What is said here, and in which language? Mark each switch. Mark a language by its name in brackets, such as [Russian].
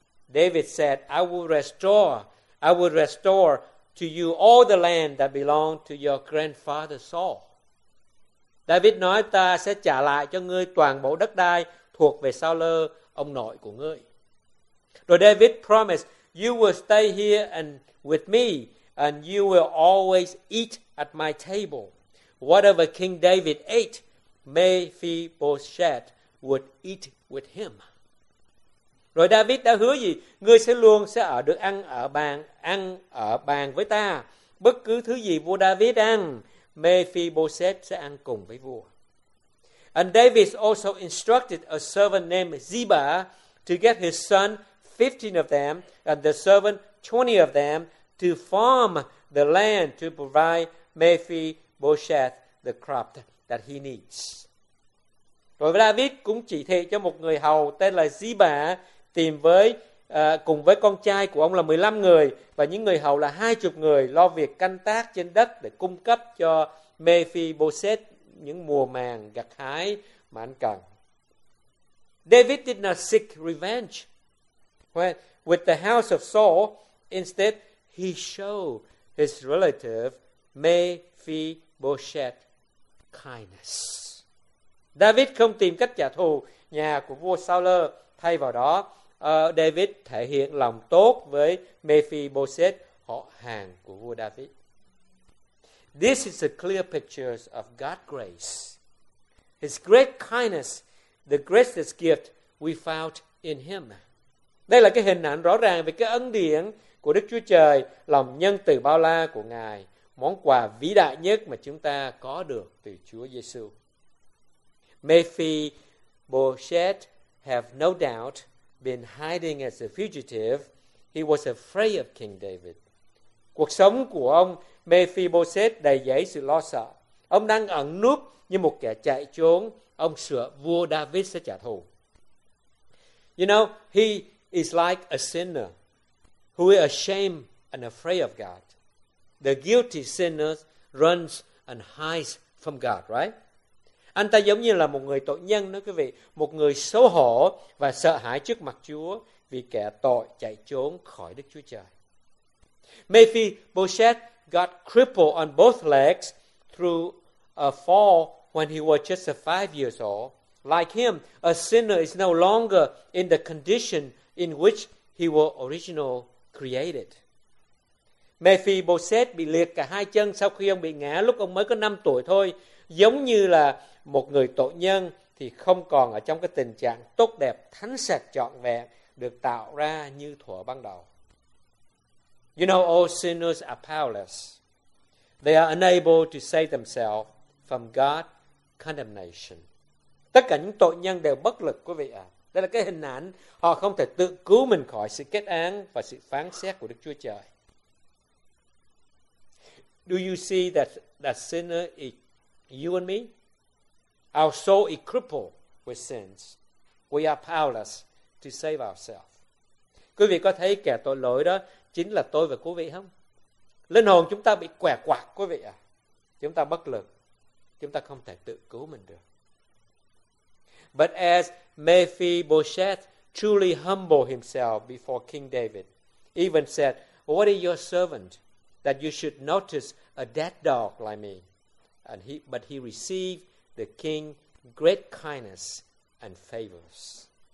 [English] David said, I will restore to you all the land that belonged to your grandfather Saul. [Vietnamese] David nói ta sẽ trả lại cho ngươi toàn bộ đất đai thuộc về Saul, ông nội của ngươi. Rồi [English] David promised, you will stay here and with me, and you will always eat at my table. Whatever King David ate, Mephibosheth would eat with him. [Vietnamese] Rồi David đã hứa gì? Ngươi sẽ luôn sẽ ở được ăn ở bàn với ta. Bất cứ thứ gì vua David ăn, Mephibosheth sẽ ăn cùng với vua. [English] And David also instructed a servant named Ziba to get his son 15 of them and the servant 20 of them to farm the land to provide Mephibosheth the crop that he needs. [Vietnamese] Rồi David cũng chỉ thị cho một người hầu tên là Ziba tìm với cùng với con trai của ông là 15 người và những người hầu là 20 người lo việc canh tác trên đất để cung cấp cho Mephibosheth những mùa màng gặt hái mà anh cần. [English] David did not seek revenge with the house of Saul. Instead, he showed his relative Mephibosheth kindness. [Vietnamese] David không tìm cách trả thù nhà của vua Saul. Thay vào đó, David thể hiện lòng tốt với Mephibosheth, họ hàng của vua David. [English] This is a clear picture of God's grace. His great kindness, the greatest gift we found in him. [Vietnamese] Đây là cái hình ảnh rõ ràng về cái ân điển của Đức Chúa Trời, lòng nhân từ bao la của Ngài, món quà vĩ đại nhất mà chúng ta có được từ Chúa Giê-xu. [English] Mephibosheth have no doubt been hiding as a fugitive. He was afraid of King David. [Vietnamese] Cuộc sống của ông Mephibosheth đầy dẫy sự lo sợ. Ông đang ẩn núp như một kẻ chạy trốn. Ông sợ vua David sẽ trả thù. [English] You know, he is like a sinner who is ashamed and afraid of God. The guilty sinner runs and hides from God, right? [Vietnamese] Anh ta giống như là một người tội nhân đó quý vị, một người xấu hổ và sợ hãi trước mặt Chúa vì kẻ tội chạy trốn khỏi Đức Chúa Trời. [English] Mephibosheth got crippled on both legs through a fall when he was just 5 years old. Like him, a sinner is no longer in the condition in which he was originally created. [Vietnamese] Mephibosheth bị liệt cả hai chân sau khi ông bị ngã lúc ông mới có 5 tuổi thôi, giống như là một người tội nhân thì không còn ở trong cái tình trạng tốt đẹp, thánh sạch trọn vẹn được tạo ra như thuở ban đầu. [English] You know, all sinners are powerless. They are unable to save themselves from God's condemnation. [Vietnamese] Tất cả những tội nhân đều bất lực, quý vị ạ. Đây là cái hình ảnh họ không thể tự cứu mình khỏi sự kết án và sự phán xét của Đức Chúa Trời. [English] Do you see that sinner is you and me? Our soul is crippled with sins. We are powerless to save ourselves. [Vietnamese] Quý vị có thấy kẻ tội lỗi đó chính là tôi và quý vị không? Linh hồn chúng ta bị què quặt, quý vị ạ. Chúng ta bất lực. Chúng ta không thể tự cứu mình được. [English] But as Mephibosheth truly humbled himself before King David, even said, what is your servant that you should notice a dead dog like me? But he received the king great kindness and favors.